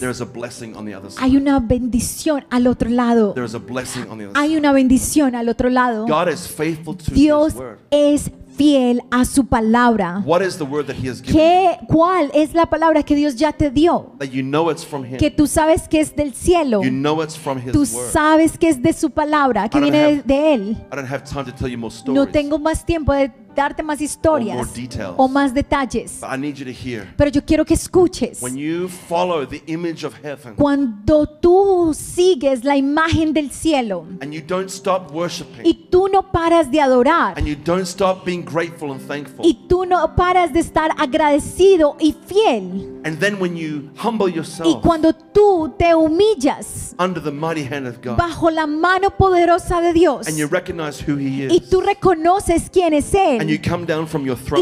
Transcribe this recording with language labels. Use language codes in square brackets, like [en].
[en] there is a blessing on the other side. [es] Hay una bendición al otro lado. [en] There is a blessing on the other [es] hay [en] side. [es] Una bendición al otro lado. [en] God is faithful to [es] Dios [en] his word. [es] Es fiel a su palabra. [en] What is the word that he has given? [es] ¿Cuál es la palabra que Dios ya te dio? [en] That you know it's from him. [es] Que tú sabes que es del cielo. [en] You know it's from his [es] tú [en] word. [es] Sabes que es de su palabra, que viene de él. [en] I don't have time to tell you more stories. [es] No tengo más tiempo de darte más historias [en] or more details, [es] o más detalles. [en] But I need you to hear. [es] Pero yo quiero que escuches. [en] When you follow the image of heaven, [es] cuando tú sigues la imagen del cielo, [en] and you don't stop worshiping, [es] y tú no paras de adorar, [en] and you don't stop being grateful and thankful, [es] y tú no paras de estar agradecido y fiel, [en] and then when you humble yourself, [es] y cuando tú te humillas [en] under the mighty hand of God, [es] bajo la mano poderosa de Dios, [en] and you recognize who he is, [es] y tú reconoces quién es él, [en] and you come down from your throne,